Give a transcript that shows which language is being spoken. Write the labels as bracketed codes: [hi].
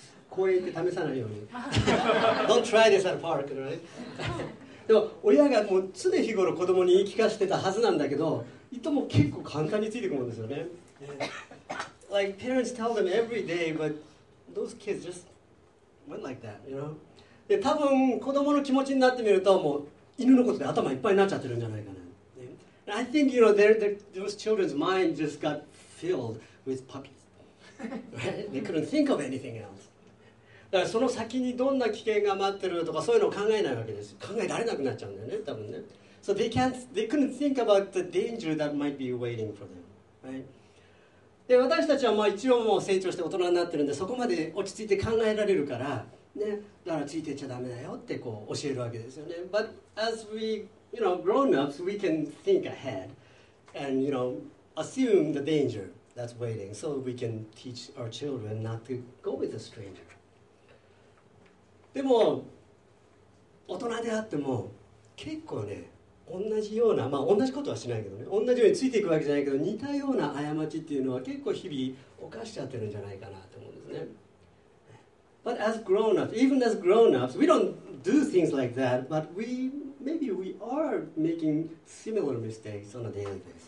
[ja] 公園行って試さないように。 [en] Don't try this at a park, right? [ja] でも親がもう常日頃子供に言い聞かせてたはずなんだけど、いとも結構簡単についてくるんですよね。 [en] Like parents tell them every day, but those kids just went like that, you know? [ja] で多分子供の気持ちになってみるともう犬のことで頭いっぱいになっちゃってるんじゃないかな。 [en] I think you know those children's mind just got filled with puppies. Right? They couldn't think of anything else. [ja] だからその先にどんな危険が待ってるとかそういうのを考えないわけです。考えられなくなっちゃうんだよね、多分ね。 [en] So they couldn't think about the danger that might be waiting for them.、Right? [ja] で、私たちはまあ一応もう成長して大人になってるんで、そこまで落ち着いて考えられるから、ね、だからついていっちゃダメだよってこう教えるわけですよね。 [en] But as we, you know, grown-ups, we can think ahead and, you know, assume the danger that's waiting so we can teach our children not to go with a stranger. [ja] でも、大人であっても結構ね、同じような、まあ同じことはしないけどね、同じようについていくわけじゃないけど、似たような過ちっていうのは結構日々犯しちゃってるんじゃないかなと思うんですね。 [en] But as grown-ups, even as grown-ups, we don't do things like that, but we, maybe we are making similar mistakes on a daily basis.